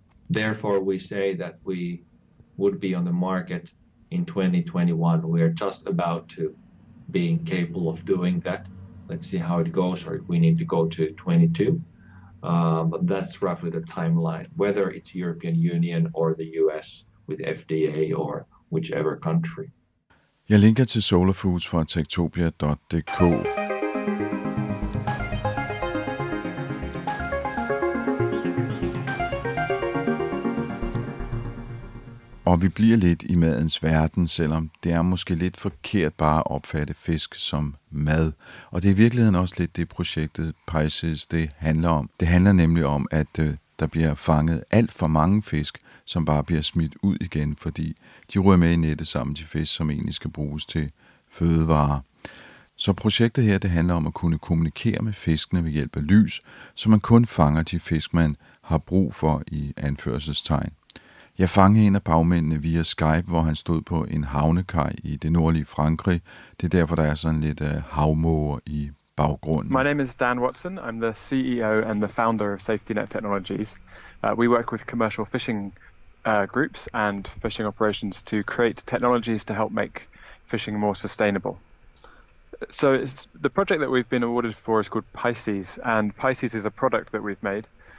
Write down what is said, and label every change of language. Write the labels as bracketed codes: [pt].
[en] Therefore, we say that we would be on the market in 2021. We are just about to be capable of doing that. Let's see how it goes, or if we need to go to 22. But that's roughly the timeline, whether it's European Union or the US with FDA or whichever country. [da] Jeg linker til Solar Foods fra tektopia.dk. Og vi bliver lidt i madens verden, selvom det er måske lidt forkert bare at opfatte fisk som mad. Og det er i virkeligheden også lidt det projektet Pisces det handler om. Det handler nemlig om, at der bliver fanget alt for mange fisk, som bare bliver smidt ud igen, fordi de ryger med i nettet sammen til fisk, som egentlig skal bruges til fødevarer. Så projektet her det handler om at kunne kommunikere med fiskene ved hjælp af lys, så man kun fanger de fisk, man har brug for i anførselstegn. Jeg fangede en af bagmændene via Skype, hvor han stod på en havnekaj i det nordlige Frankrig. Det er derfor, der er sådan lidt havmåger i baggrunden. [en] My name is Dan Watson. I'm the CEO and the founder of Safety Net Technologies. We work with commercial fishing groups and fishing operations to create technologies to help make fishing more sustainable. So it's, the project that we've been awarded for is called Pisces, and Pisces is a product that we've made.